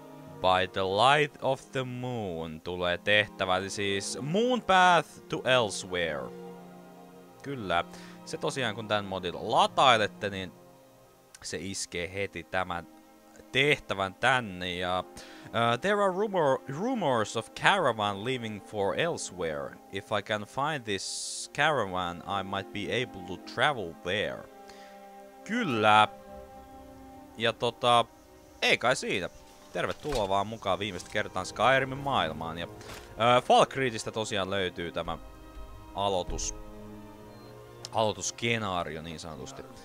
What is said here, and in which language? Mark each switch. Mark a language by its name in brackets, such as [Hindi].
[Finnish] By the light of the moon tulee tehtävä, eli siis... Moonpath to Elsweyr. Kyllä. Se tosiaan, kun tämän modin latailette, niin... Se iskee heti tämän tehtävän tänne, ja... [English] there are rumors of caravan leaving for Elsweyr. If I can find this caravan, I might be able to travel there. [Finnish] Kyllä. Ja tota... Ei kai siitä. Tervetuloa vaan mukaan viimeistä kertaa Skyrimin maailmaan. Ja Falkreedistä tosiaan löytyy tämä aloitus... Aloitusskenaario niin sanotusti.